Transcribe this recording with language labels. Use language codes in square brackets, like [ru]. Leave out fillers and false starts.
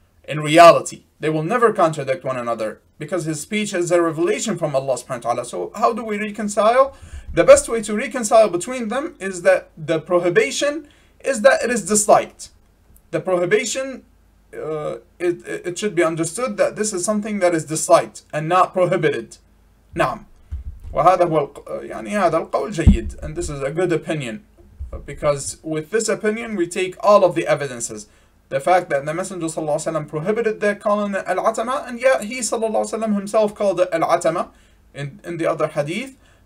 [en] In reality, they will never contradict one another because his speech is a revelation from Allah subhanahu wa ta'ala. So how do we reconcile? The best way to reconcile between them is that the prohibition is that it is disliked. The prohibition, it should be understood that this is something that is disliked and not prohibited. [ar] Naam. وهذا هو يعني هذا القول جيد. [en] And this is a good opinion. Because with this opinion, we take all of the evidences. The fact that the Messenger [ar] صلى الله عليه وسلم [en] prohibited the calling it Al-Atama, and yet he صلى الله عليه وسلم himself called it Al-Atama in the other hadith.